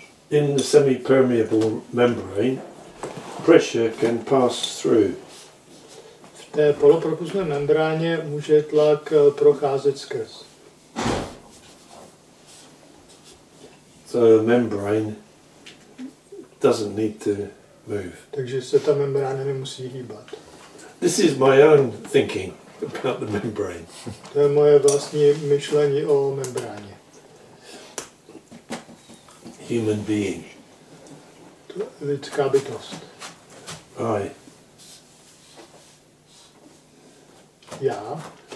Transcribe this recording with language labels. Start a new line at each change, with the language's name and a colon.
English: In the semi-permeable membrane, pressure can pass through.
Czech: V té polopropustné membráně může tlak procházet skrz.
English: So the membrane doesn't need to move.
Czech: Takže se ta membrána nemusí hýbat.
English: This is my own thinking about the membrane.
Czech: To je moje vlastní myšlení o membráně.
English: Human being.
Czech: Lidská bytost.
English: I.
Czech: Já.